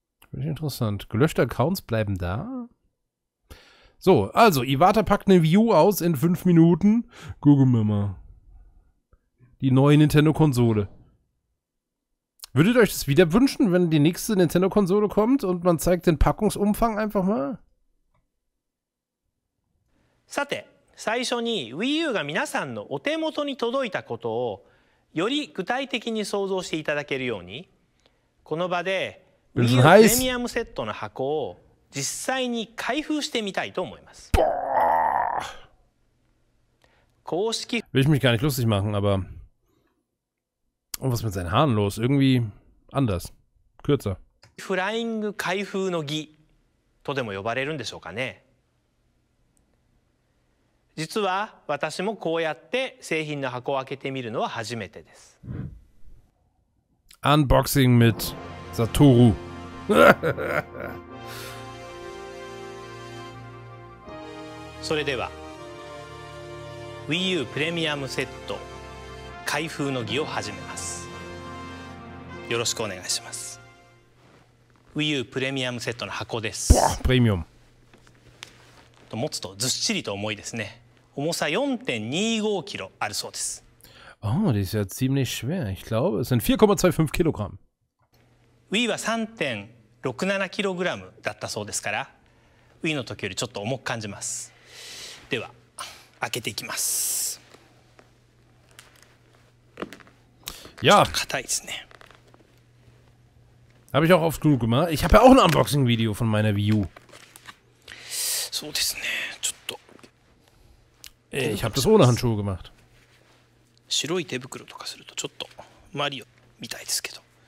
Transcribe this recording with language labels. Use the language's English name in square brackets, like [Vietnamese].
[German] Finde ich interessant. Gelöschte Accounts bleiben da. So, also, Iwata packt eine Wii U aus in 5 Minuten. Gucken wir mal. Die neue Nintendo-Konsole. Würdet ihr euch das wieder wünschen, wenn die nächste Nintendo-Konsole kommt und man zeigt den Packungsumfang einfach mal? [Japanese] Sate, 最初に Wii U が皆さんのお手元に届いたことをより具体的に想像していただけるように、この場で Wii U プレミアムセットの箱を実際に開封してみたいと思います。公式。 [German] Will ich mich gar nicht lustig machen, aber. Und was mit seinen Haaren los? Irgendwie anders. Kürzer. [Japanese] フライング開封の儀とでも呼ばれるんでしょうかね。実は私もこうやって製品の箱を開けてみるのは初めてです。 [German] Unboxing mit Satoru. [Japanese] それでは、Wii U プレミアムセット開封の儀を始めます。よろしくお願いします。Wii U プレミアムセットの箱です。プレミアム。と持つとずっしりと重いですね。重さ 4.25 キロあるそうです。 [German] Oh, das ist ja ziemlich schwer. Ich glaube, es sind 4,25 Kilogramm. [Japanese] Wii は 3.67 キログラムだったそうですから、Wii の時よりちょっと重く感じます。では開けていきます。いや、硬いですね。 [German] Habe ich auch oft genug gemacht. Ich habe ja auch ein Unboxing-Video von meiner Wii U. [Japanese] そうですね。ちょっと。 [German] Ich habe das ohne Handschuhe gemacht. [Japanese] 白い手袋とかするとちょっとマリオみたいですけど。